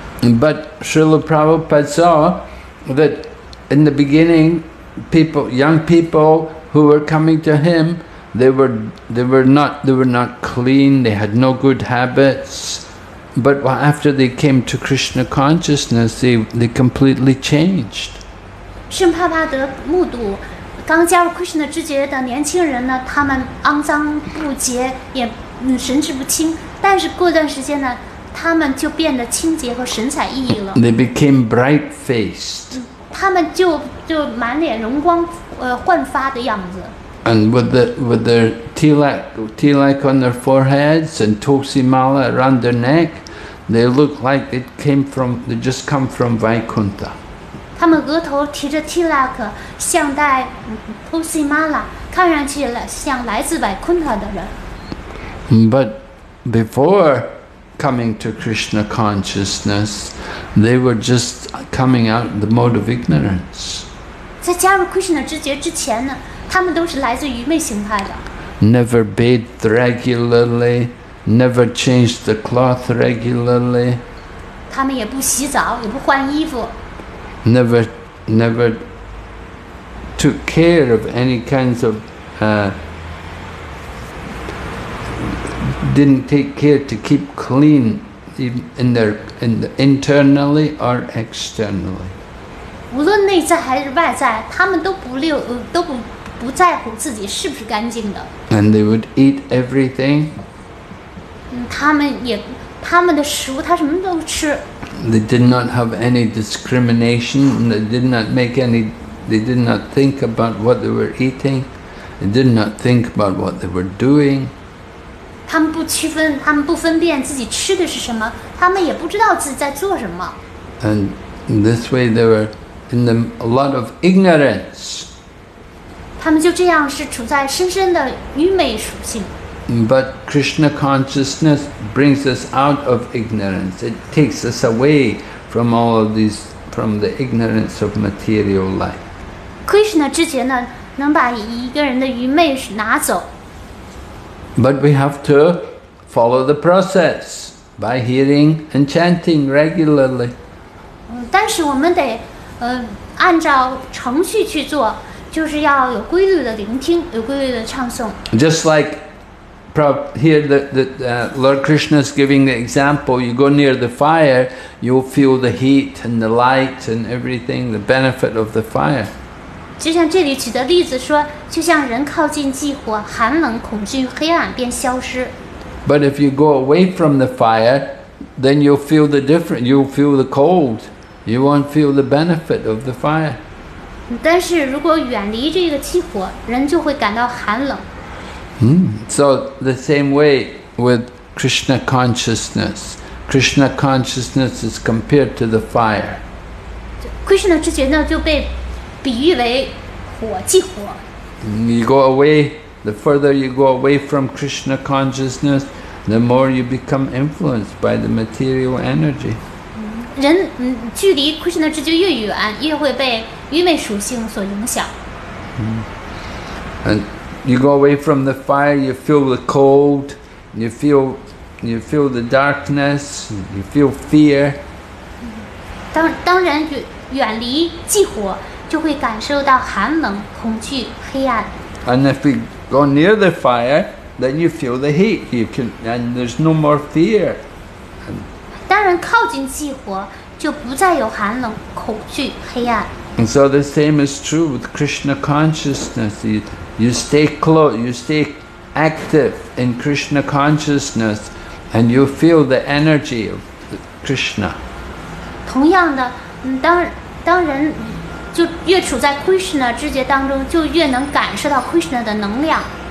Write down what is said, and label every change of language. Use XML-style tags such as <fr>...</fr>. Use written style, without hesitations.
<en>But Srila Prabhupada saw that in the beginning, young people who were coming to him, they were not clean, they had no good habits. But after they came to Krishna consciousness, they completely changed.</en> <zh>圣帕帕德目睹刚加入Krishna之节的年轻人呢，他们肮脏不洁，也神志不清，但是过段时间呢。</zh> <en>They became bright faced.</en> <zh>他们就满脸容光，焕发的样子。</zh> <en>And with their tilak on their foreheads and tulsi mala around their neck, they looked like they just come from Vaikuntha.</en> <zh>他们额头提着tilak，像戴tulsi mala，看上去像来自Vaikuntha的人。</zh> <en>But before coming to Krishna consciousness, they were just coming out of the mode of ignorance.</en> <zh>在加入 Krishna 知觉之前呢，他们都是来自愚昧形态的。</zh> <en>Never bathed regularly, never changed the cloth regularly.</en> <zh>他们也不洗澡，也不换衣服。</zh> <en>Never took care of any kinds of, didn't take care to keep clean in their, in the internally or externally.</en> <zh>无论内在还是外在，他们都不留，都不，不在乎自己是不是干净的。</zh> <en>And they would eat everything.</en> <zh>他们也，他们的食物，他什么都吃。</zh> <en>They did not have any discrimination, and they did not make any, they did not think about what they were eating, they did not think about what they were doing.</en> <zh>他们不区分，他们不分辨自己吃的是什么，他们也不知道自己在做什么。</zh> <en>And in this way they were in the, a lot of ignorance.</en> <zh>他们就这样是处在深深的愚昧属性。</zh> <en>But Krishna consciousness brings us out of ignorance. It takes us away from all of these, from the ignorance of material life.</en> <zh>Krishna 之前呢，能把一个人的愚昧拿走。</zh> <en>But we have to follow the process by hearing and chanting regularly.</en> <zh>但是我们得，按照程序去做，就是要有规律的聆听，有规律的唱诵。</zh> <en>Just like. Here Lord Krishna is giving the example, you go near the fire, you'll feel the heat and the light and everything, the benefit of the fire.</en> <zh>就像这里举的例子说，就像人靠近祭火，寒冷、恐惧、黑暗便消失。</zh> <en>But if you go away from the fire, then you'll feel the difference, you'll feel the cold, you won't feel the benefit of the fire.</en> <zh>但是如果远离这个祭火，人就会感到寒冷。</zh> <en>So the same way with Krishna consciousness. Krishna consciousness is compared to the fire.</en> <zh>Krishna 之觉呢就被比喻为火，即火。</zh> <en>You go away, the further you go away from Krishna consciousness, the more you become influenced by the material energy.</en> <zh>人距离 Krishna 之觉越远，越会被愚昧属性所影响。</zh> <en>And. You go away from the fire, you feel the cold, you feel the darkness, you feel fear.</en> <zh>当然远离祭火，就会感受到寒冷、恐惧、黑暗。</zh> <en>And if you go near the fire, then you feel the heat. You can, and there's no more fear.</en> <zh>当然靠近祭火，就不再有寒冷、恐惧、黑暗。</zh> <en>And so the same is true with Krishna consciousness. You stay close, you stay active in Krishna consciousness, and you feel the energy of Krishna.</en> <zh>同样的，当人就越处在 Krishna 知觉当中，就越能感受到 Krishna 的能量。</zh>